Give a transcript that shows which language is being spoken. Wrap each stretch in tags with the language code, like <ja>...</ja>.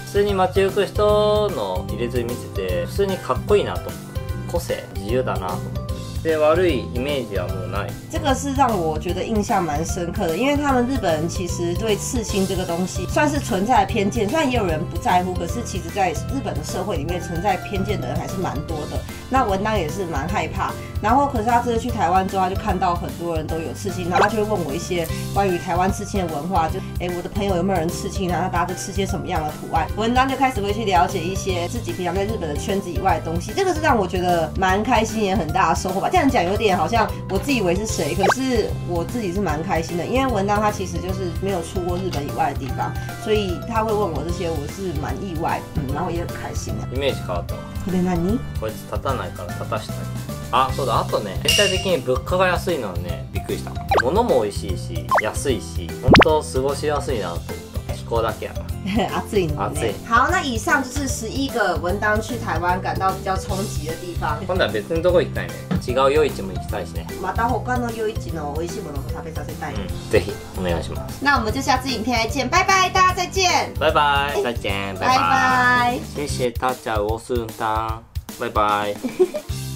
<ja>普通に街行く人の入れ墨見せて、普通にかっこいいなと思う。個性、自由だなと思う。で、悪いイメージはもうない。</ja> <zh>这个是让我觉得印象蛮深刻的，因为他们日本人其实对刺青这个东西算是存在偏见，虽然也有人不在乎，可是其实在日本的社会里面存在偏见的人还是蛮多的。那文章也是蛮害怕。然后，可是他这次去台湾之后，他就看到很多人都有刺青，然后他就会问我一些关于台湾刺青的文化，就我的朋友有没有人刺青啊？那大家都刺些什么样的图案？文章就开始会去了解一些自己平常在日本的圈子以外的东西，这个是让我觉得蛮开心，也很大的收获吧。这样讲有点好像我自以为是谁，可是我自己是蛮开心的，因为文章他其实就是没有出过日本以外的地方，所以他会问我这些，我是蛮意外，然后也很开心的。</zh> <ja>イメージ変わった。これ何？こいつ立たないから立たしたい。あ、そうだ。あとね、全体的に物価が安いのはね、びっくりした。物も美味しいし、安いし、本当過ごしやすいなと思った。気候だけやな。暑いのね。暑い。</ja> <zh>好、那以上就是11个文章去台湾感到比较冲击的地方。</zh> <ja>今度は別のとこ行きたいね。違う夜市も行きたいしね。また他の夜市の美味しいものも食べさせたい。ぜひお願いします。</ja> <zh>那我们就下次影片再见、拜拜、大家再见。拜拜、再见、拜拜。拜拜。谢谢大家、我是恩丹。拜拜。</zh>